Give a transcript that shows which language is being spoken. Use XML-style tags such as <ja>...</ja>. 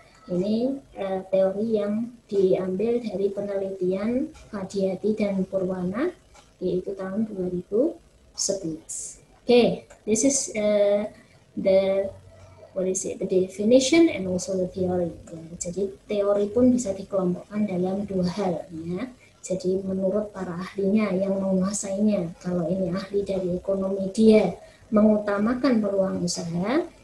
<id>Ini teori yang diambil dari penelitian Fadiati dan Purwana, yaitu tahun 2011.</id> <en>Okay, this is the definition and also the theory.</en> <id>Jadi teori pun bisa dikelompokkan dalam dua hal, ya. Jadi menurut para ahlinya yang menguasainya, kalau ini ahli dari ekonomi, dia mengutamakan peluang usaha.</id>